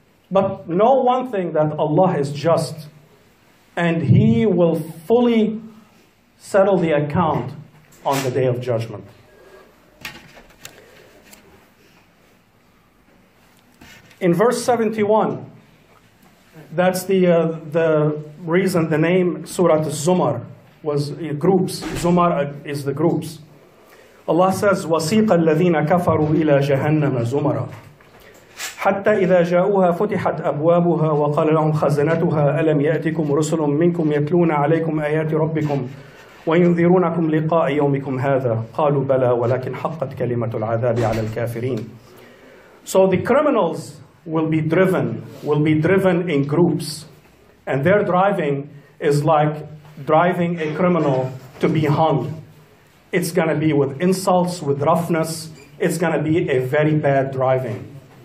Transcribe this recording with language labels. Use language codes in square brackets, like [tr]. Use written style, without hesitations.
[en] But know one thing, that Allah is just, and he will fully settle the account on the day of judgment. In verse 71, that's the reason the name Surat Az-Zumar was groups. Zumar is the groups. Allah says, [ar] وَسِيقَ الَّذِينَ كَفَرُوا إِلَى جَهَنَّمَ زُمَرًا حتى إذا جاءوها فتحت أبوابها وقال لهم خزنتها ألم يأتكم رسل منكم يتلون عليكم آيات ربكم وينذرونكم لقاء يومكم هذا قالوا بلى ولكن حقت كلمة العذاب على الكافرين. [en] So the criminals will be driven in groups, and their driving is like driving a criminal to be hung. It's going to be with insults, with roughness. It's going to be a very bad driving.